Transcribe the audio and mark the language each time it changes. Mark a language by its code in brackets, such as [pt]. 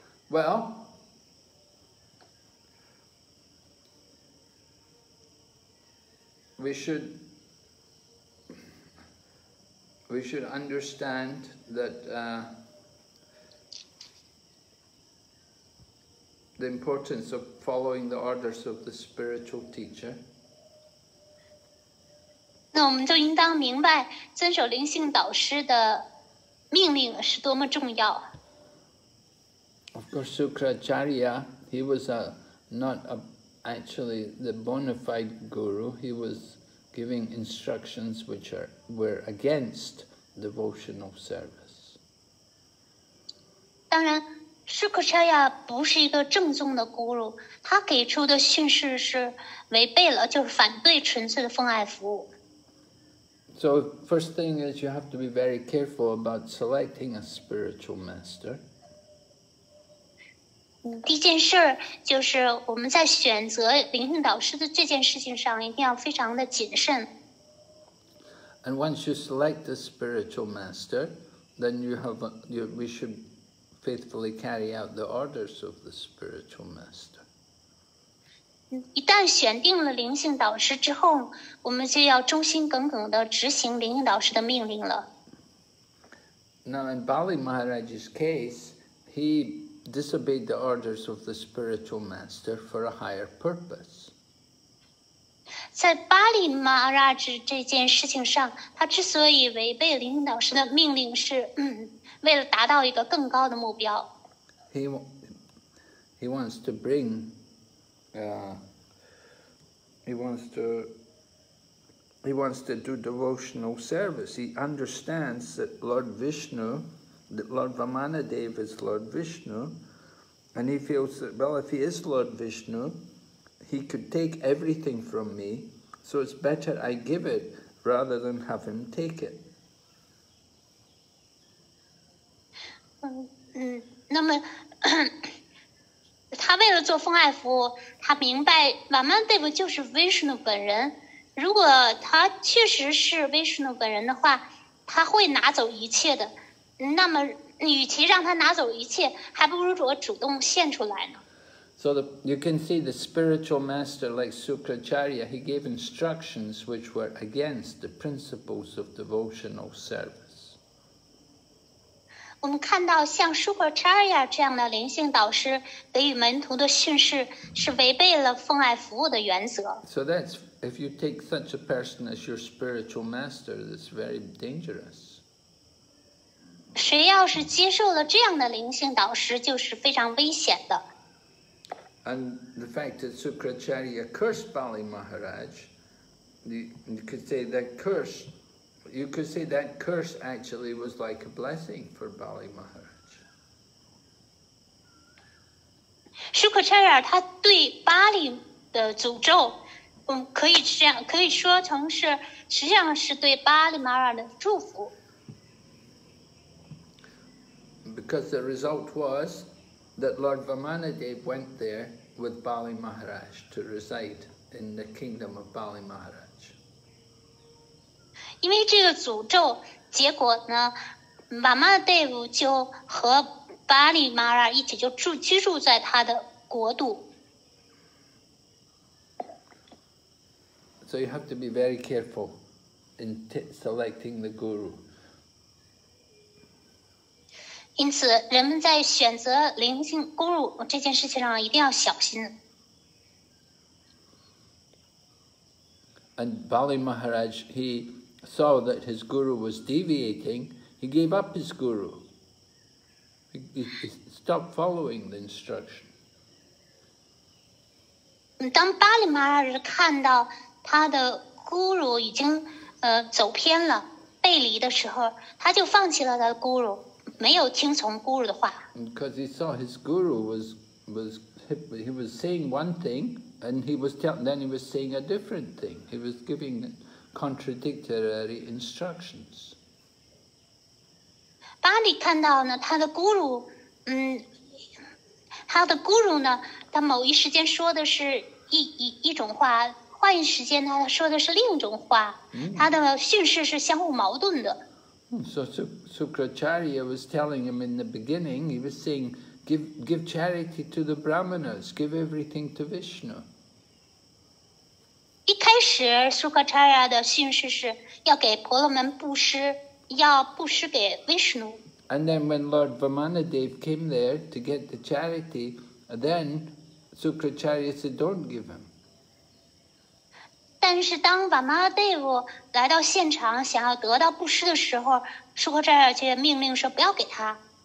[en] Well, we should understand that the importance of following the orders of the spiritual teacher. [zh] 那我们就应当明白遵守灵性导师的命令是多么重要。 [en] Of course, Shukracharya, he was not actually the bona fide guru. He was giving instructions which were against devotional service. [zh] 当然 ，Shukracharya 不是一个正宗的 guru， 他给出的训示是违背了，就是反对纯粹的奉爱服务。 [en] So first thing is you have to be very careful about selecting a spiritual master. [zh] 第一件事就是我们在选择灵性导师的这件事情上一定要非常的谨慎。 [en] And once you select a spiritual master, then we should faithfully carry out the orders of the spiritual master. [zh] 一旦选定了灵性导师之后，我们就要忠心耿耿地执行灵性导师的命令了。 [en] Now in Bali Maharaj's case, he disobeyed the orders of the spiritual master for a higher purpose. [zh] 在巴利马拉吉这件事情上，他之所以违背灵性导师的命令是，为了达到一个更高的目标。 [en] He wants to bring, he wants to do devotional service. He understands that Lord Vishnu, that Lord Vamanadeva is Lord Vishnu. And he feels that, well, if he is Lord Vishnu, he could take everything from me, so it's better I give it rather than have him take it. [zh] 那么他为了做奉爱服务，他明白瓦曼德夫就是 Vishnu 本人。如果他确实是 Vishnu 本人的话，他会拿走一切的。那么与其让他拿走一切，还不如我主动献出来呢。 [en] So you can see the spiritual master like Shukracharya, he gave instructions which were against the principles of devotional service. [zh] 我们看到像 Shukracharya 这样的灵性导师给予门徒的训示是违背了奉爱服务的原则。 [en] So that's, if you take such a person as your spiritual master, that's very dangerous. [zh] 谁要是接受了这样的灵性导师，就是非常危险的。 [en] And the fact that Shukracharya cursed Bali Maharaj, you could say that curse actually was like a blessing for Bali Maharaj. [zh] Shukracharya 他对巴利的诅咒，可以说成是实际上是对巴利玛拉的祝福。 [en] Because the result was that Lord Vamanadeva went there with Bali Maharaj to reside in the kingdom of Bali Maharaj. [zh] 因为这个诅咒，结果呢，瓦曼德夫就和巴利玛拉一起就居住在他的国度。 [en] So you have to be very careful in selecting the guru. [zh] 因此，人们在选择灵性guru入这件事情上一定要小心。 [en] And Bali Maharaj, he saw that his guru was deviating. He gave up his guru. He stopped following the instruction. [zh] 当巴利玛拉看到他的guru已经走偏了、背离的时候，他就放弃了他的guru。没有听从 guru 的话。 [en] Because he saw his guru was he was saying one thing, and then he was saying a different thing. He was giving contradictory instructions. [zh] 巴里看到呢，他的 guru 呢，他某一时间说的是一种话，换一时间呢，他说的是另一种话。他的训示是相互矛盾的。 [en] So Shukracharya was telling him in the beginning, he was saying, give charity to the brahmanas, give everything to Vishnu. [zh] 一开始 Shukracharya 的训示是要给婆罗门布施，要布施给 Vishnu. [en] And then when Lord Vamanadeva came there to get the charity, then Shukracharya said, don't give him. [zh] 但是当瓦玛拉德夫来到现场想要得到布施的时候，舒克扎尔却命令说不要给他。